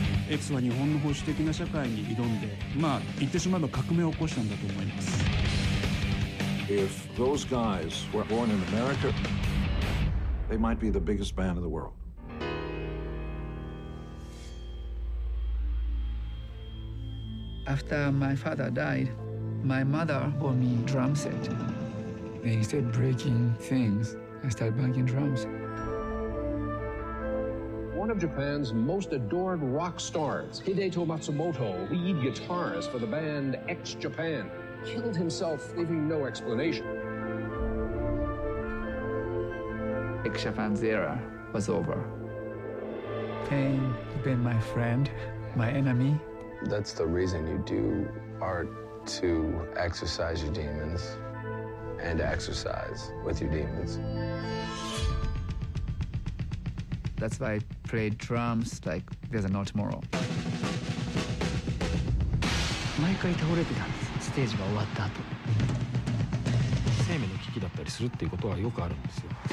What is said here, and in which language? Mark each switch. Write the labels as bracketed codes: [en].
[ja] X は日本の保守的な社会に挑んで、まあ言ってしまえば革命を起こしたんだと思います。 [en] If those guys were born in America, they might be the biggest band in the world. After my father died, my mother bought me a drum set. And instead of breaking things, I started banging drums. One of Japan's most adored rock stars, Hideto Matsumoto, lead guitarist for the band X Japan, killed himself, leaving no explanation. X Japan's era was over. Pain has been my friend, my enemy. That's the reason you do art, to exercise your demons. And exercise with your demons. That's why I play drums like there's no tomorrow. [ja] 毎回倒れてたんです。ステージが終わった後。生命の危機だったりするっていうことはよくあるんですよ。